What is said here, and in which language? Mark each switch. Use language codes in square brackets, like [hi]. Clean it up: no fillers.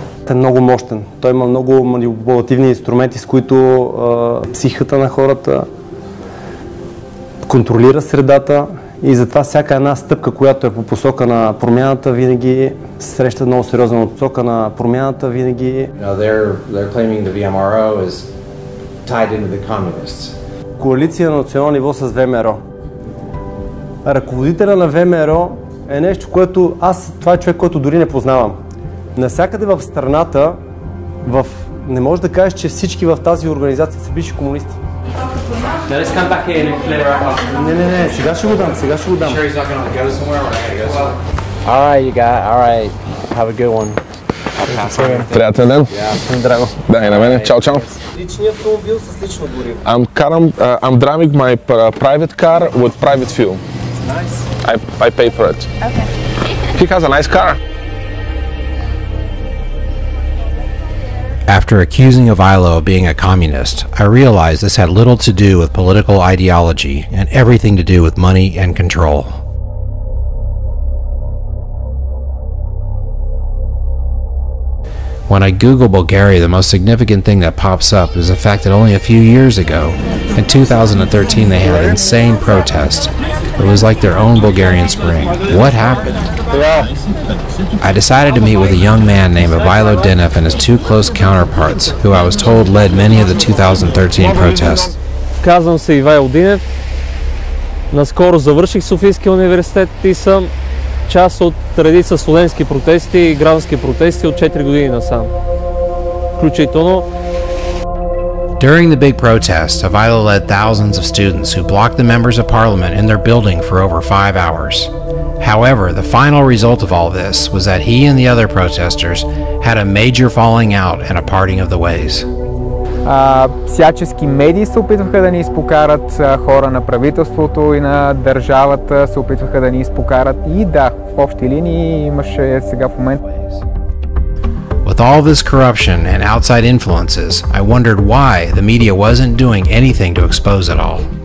[bg] Е много мощен. Той има много манипулативни инструменти, с които психиката на хората контролира средата и затова всяка една стъпка, която е по посока на промяната, винаги среща много сериозна отсока на промяната, винаги. [en] They're claiming the VMRO is tied into the communists. [bg] Коалиция на национално ниво с ВМРО. Ръководителя на ВМРО е нещо, което аз, това е човек, който дори не познавам. Насякъде в страната, не можеш да кажеш, че всички в тази организация са бивши комунисти. Не, сега ще го дам. [en] Alright, you got it. Alright. Have a good one. [bg] Приятен ден. Здраво. Да, и на мене. Чао, чао. Личният автомобил с лично гориво. [en] I'm driving my private car with private fuel. Nice. I pay for it. Okay. He has a nice car. After accusing Avilo of being a communist, I realized this had little to do with political ideology and everything to do with money and control. When I Google Bulgaria, the most significant thing that pops up is the fact that only a few years ago, in 2013, they had an insane protest. It was like their own Bulgarian Spring. What happened? I decided to meet with a young man named Avilo Denev and his two close counterparts, who I was told led many of the 2013 protests. [bg] Казвам се Ивайло Динев. Наскоро завърших Софийския университет и съм част от редица студентски протести и граждански протести от 4 години насам. Включително. [en] During the big protest, Avilo led thousands of students who blocked the members of parliament in their building for over 5 hours. However, the final result of all this was that he and the other protesters had a major falling out and a parting of the ways. [bg] Всячески медии се опитваха да ни изпокарат, хора на правителството и на държавата се опитваха да ни изпокарат и да, в общи линии имаше сега в момент. [en] With all this corruption and outside influences, I wondered why the media wasn't doing anything to expose it all.